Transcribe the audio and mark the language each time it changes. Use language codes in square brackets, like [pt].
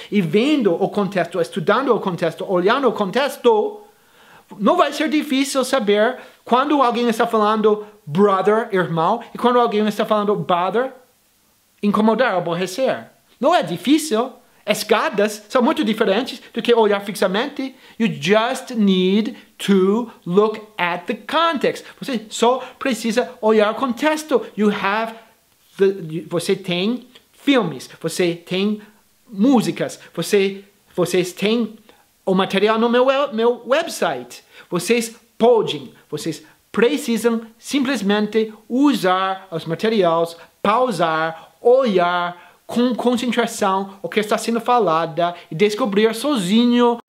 [pt] E vendo o contexto, estudando o contexto, olhando o contexto, não vai ser difícil saber quando alguém está falando brother, irmão, e quando alguém está falando bother, incomodar, aborrecer. Não é difícil. Escadas são muito diferentes do que olhar fixamente. [en] You just need to look at the context. [pt] Você só precisa olhar o contexto. [en] You have the, [pt] você tem filmes, você tem músicas, vocês têm o material no meu website. Vocês podem, vocês precisam simplesmente usar os materiais, pausar, olhar com concentração o que está sendo falado e descobrir sozinho.